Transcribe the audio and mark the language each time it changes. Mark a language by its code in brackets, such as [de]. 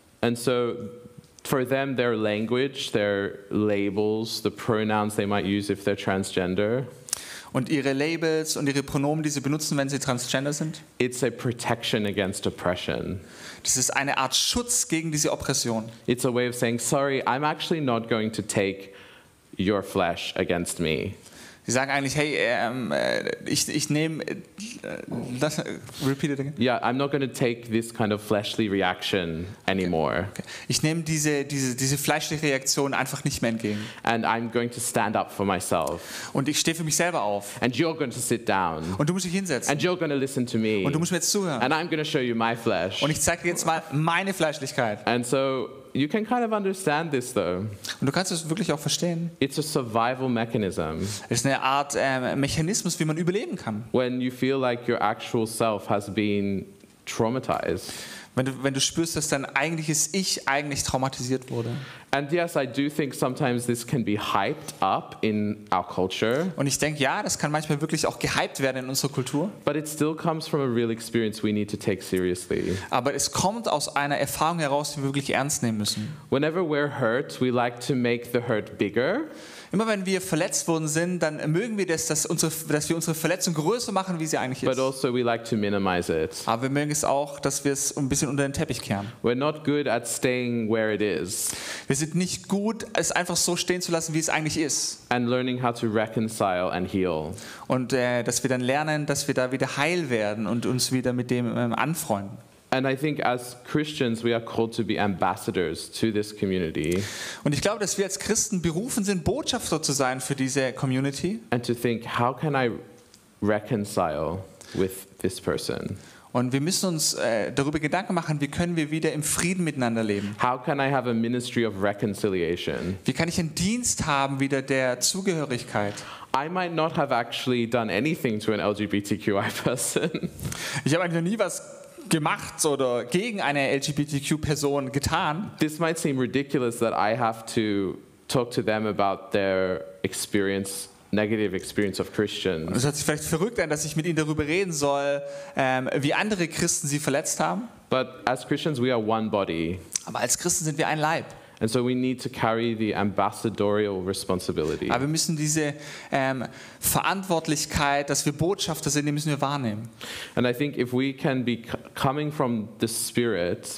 [en] And so for them, their language, their labels, the pronouns they might use if they're transgender. [de] Und ihre Labels und ihre Pronomen, die sie benutzen, wenn sie transgender sind. [en] It's a protection against oppression. [de] Das ist eine Art Schutz gegen diese Oppression. [en] It's a way of saying, sorry, I'm actually not going to take your flesh against me. [de] Sie sagen eigentlich, hey, ich nehme das. [en] Repeat it again. Yeah, I'm not going to take this kind of fleshly reaction anymore. Okay. [de] Ich nehme diese fleischliche Reaktion einfach nicht mehr entgegen. [en] And I'm going to stand up for myself. [de] Und ich stehe für mich selber auf. [en] And you're going to sit down. [de] Und du musst dich hinsetzen. [en] And you're going to listen to me. [de] Und du musst mir jetzt zuhören. [en] And I'm going to show you my flesh. [de] Und ich zeige dir jetzt mal meine Fleischlichkeit. [en] And so you can kind of understand this, though. [de] Und du kannst es wirklich auch verstehen. [en] It's a survival mechanism. [de] Es ist eine Art Mechanismus, wie man überleben kann. [en] When you feel like your actual self has been traumatized. [de] wenn du spürst, dass dein eigentliches Ich eigentlich traumatisiert wurde. [en] And yes, I do think sometimes this can be hyped up in our culture. [de] Und ich denke, ja, das kann manchmal wirklich auch gehyped werden in unserer Kultur. [en] But it still comes from a real experience we need to take seriously. [de] Aber es kommt aus einer Erfahrung heraus, die wir wirklich ernst nehmen müssen. [en] Whenever we're hurt, we like to make the hurt bigger. [de] Immer wenn wir verletzt worden sind, dann mögen wir das, dass wir unsere Verletzung größer machen, wie sie eigentlich ist. [en] But also we like to minimize it. [de] Aber wir mögen es auch, dass wir es ein bisschen unter den Teppich kehren. [en] We're not good at staying where it is. [de] Wir sind nicht gut, es einfach so stehen zu lassen, wie es eigentlich ist. [en] And learning how to reconcile and heal. [de] Und dass wir dann lernen, dass wir da wieder heil werden und uns wieder mit dem anfreunden. [en] And I think as Christians we are called to be ambassadors to this community. [de] Und ich glaube, dass wir als Christen berufen sind, Botschafter zu sein für diese Community. [en] And to think, how can I reconcile with this person? [de] Und wir müssen uns darüber Gedanken machen, wie können wir wieder im Frieden miteinander leben? [en] How can I have a ministry of reconciliation? [de] Wie kann ich einen Dienst haben wieder der Zugehörigkeit? [en] I might not have actually done anything to an LGBTQI person. [de] Ich habe eigentlich noch nie was gemacht oder gegen eine LGBTQ Person getan. [en] This might seem ridiculous that I have to talk to them about their experience, negative experience of Christians. [de] Es hört sich vielleicht verrückt an, dass ich mit ihnen darüber reden soll, wie andere Christen sie verletzt haben. [en] But as Christians we are one body. [de] Aber als Christen sind wir ein Leib. [en] And so we need to carry the ambassadorial responsibility. [de] Aber wir müssen diese Verantwortlichkeit, dass wir Botschafter sind, die müssen wir wahrnehmen. [en] And I think if we can be coming from the Spirit,